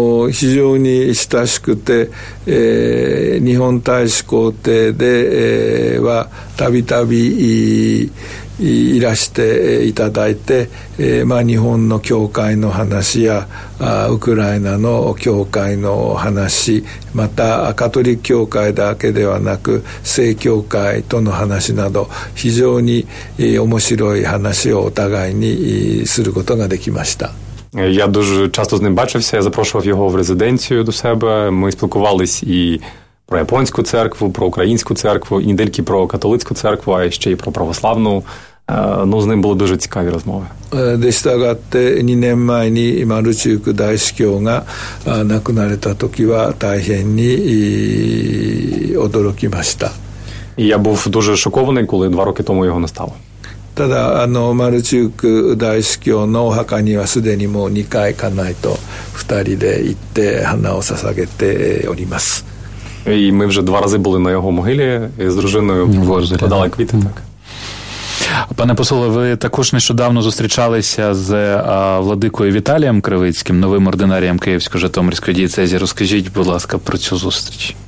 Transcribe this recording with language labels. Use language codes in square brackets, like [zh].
[ja] 非常に親しくて、日本大使公邸ではたびたびいらしていただいて、日本の教会の話やウクライナの教会の話、またカトリック教会だけではなく正教会との話など非常に面白い話をお互いにすることができました。 [uk] Я дуже часто з ним бачився, я запрошував його в резиденцію до себе. Ми спілкувались і про японську церкву, про українську церкву, і недельки про католицьку церкву, а ще й про православну. Ну, з ним були дуже цікаві розмови. [ja] Дештагатте, 2 年前に Мальчук 大司教が亡くなれた時は大変に驚きました。 [uk] Я був дуже шокований, коли 2 роки тому його не стало. [ja] ただマルチューク大司教のお墓にはすでにもう2回家内と2人で行って花を捧げております。 [uk] え、ми вже два рази були на його могилі з дружиною, подали квіти, так. Пане посоле, ви також нещодавно зустрічалися з владикою Віталієм Кривицьким, новим ординарієм Київсько-Житомирської дієцезі. Розкажіть, будь ласка, про цю зустріч.